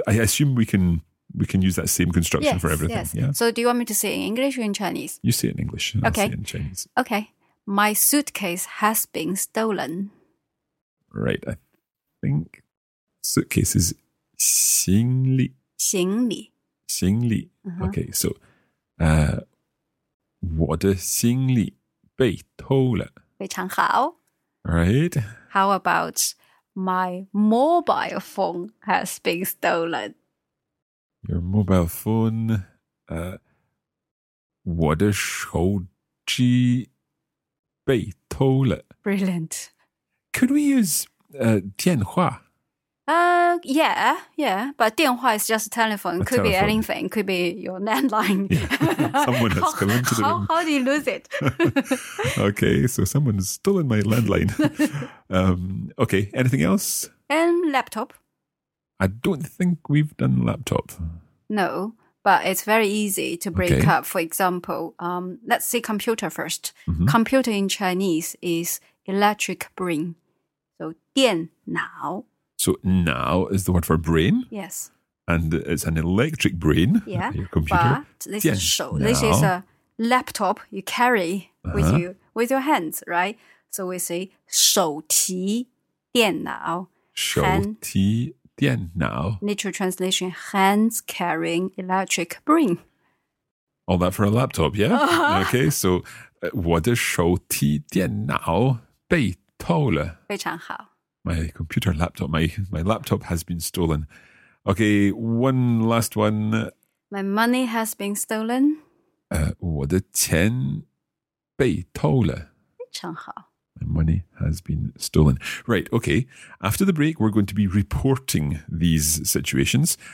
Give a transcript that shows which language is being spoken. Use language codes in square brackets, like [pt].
[en] I assume we can use that same construction for everything. Yes. Yeah? So do you want me to say it in English or in Chinese? You say it in English, and I'll say it in Chinese. Okay. My suitcase has been stolen. Right, I think... Suitcases, 行李. [zh] 行李. 行李. [en] Uh-huh. Okay, so, [zh] 我的行李被偷了. 非常好. [en] Right. How about my mobile phone has been stolen? Your mobile phone, [zh] 我的手机被偷了. [en] Brilliant. Could we use 电话? Yeah, but 电话 is just a telephone. A could telephone. Be anything. Could be your landline. Yeah. Someone has come into the room. How do you lose it? Okay, so someone's stolen my landline. Okay, anything else? And laptop. I don't think we've done laptop. No, but it's very easy to break up. For example, let's say computer first. Mm-hmm. Computer in Chinese is electric brain. So 电脑. So now is the word for brain. Yes. And it's an electric brain. Yeah. Your computer. But this is a laptop you carry with you, with your hands, right? So we say 手提电脑. [zh] 手提电脑. [en] Literal translation, hands carrying electric brain. All that for a laptop, yeah? Okay, so [zh] 我的手提电脑被偷了. 非常好. [en] My computer laptop, my laptop has been stolen. Okay, one last one. My money has been stolen. [zh] 我的钱被偷了。非常好. [en] My money has been stolen. Right, okay. After the break, we're going to be reporting these situations.